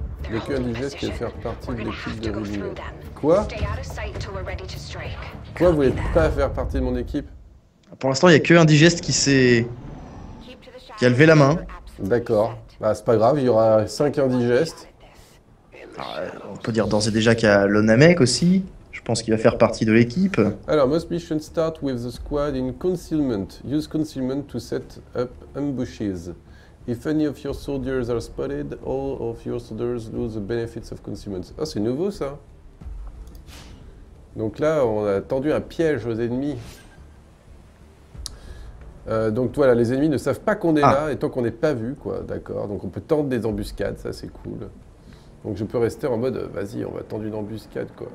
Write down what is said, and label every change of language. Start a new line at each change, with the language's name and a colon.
French: Le QM du geste qui va faire partie de l'équipe de Rubio. Quoi ? Quoi ? Vous voulez pas faire partie de mon équipe ? Pour l'instant, il n'y a que un digeste qui a levé la main. D'accord. Bah, c'est pas grave, il y aura 5 indigestes. Alors, on peut dire d'ores et déjà qu'il y a le Namek aussi. Je pense qu'il va faire partie de l'équipe.
English: Alors, most missions start with the squad in concealment. Use concealment to set up ambushes. If any of your soldiers are spotted, all of your soldiers lose the benefits of concealment.
French: Ah, oh, c'est nouveau ça. Donc là, on a tendu un piège aux ennemis. Donc voilà, les ennemis ne savent pas qu'on est là, et tant qu'on n'est pas vu, quoi, d'accord. Donc on peut tendre des embuscades, ça c'est cool. Donc je peux rester en mode, vas-y, on va tendre une embuscade, quoi.